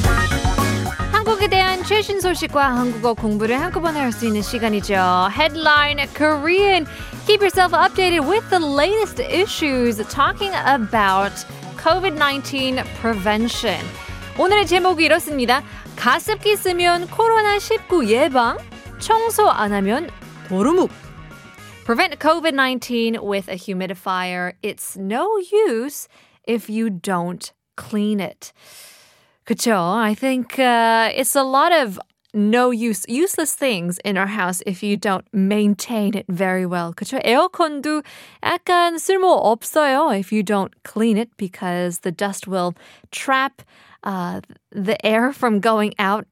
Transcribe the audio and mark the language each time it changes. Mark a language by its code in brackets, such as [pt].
[ko] 소식과 한국어 공부를 한꺼번에 할 수 있는 시간이죠. [en] Headline Korean. Keep yourself updated with the latest issues talking about COVID-19 prevention. [ko] 오늘의 제목이 이렇습니다. 가습기 쓰면 코로나19 예방, 청소 안 하면 도루묵. [en] Prevent COVID-19 with a humidifier. It's no use if you don't clean it. [ko] 그쵸? [en] I think it's a lot of no use, useless things in our house if you don't maintain it very well. [ko] 그쵸? 에어컨도 약간 쓸모 없어요 [en] if you don't clean it because the dust will trap the air from going out.